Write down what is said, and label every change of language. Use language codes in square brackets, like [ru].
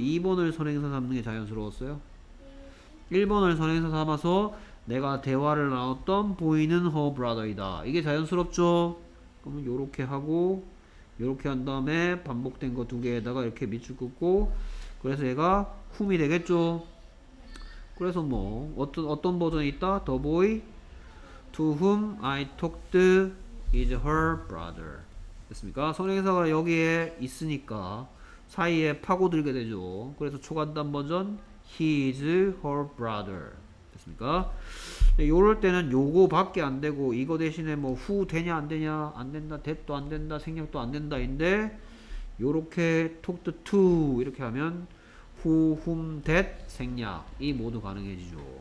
[ko] 2번을 선행사 삼는 게 자연스러웠어요? 1번을 선행사 삼아서 내가 대화를 나눴던 보이는 her brother이다 이게 자연스럽죠? 그럼 요렇게 하고 요렇게 한 다음에 반복된 거 두 개에다가 이렇게 밑줄 긋고 그래서 얘가 쿰이 되겠죠? 그래서 뭐 어떤 버전이 있다? [en] the boy To whom I talked is her brother. [ko] 됐습니까? 선행사가 여기에 있으니까 사이에 파고들게 되죠. 그래서 초간단 버전 [en] He is her brother. [ko] 됐습니까? 요럴 때는 요거밖에 안 되고 이거 대신에 뭐 who 되냐 안 되냐 안 된다, that도 안 된다, 생략도 안 된다인데 요렇게 talked to 이렇게 하면 who, whom, that, 생략 이 모두 가능해지죠.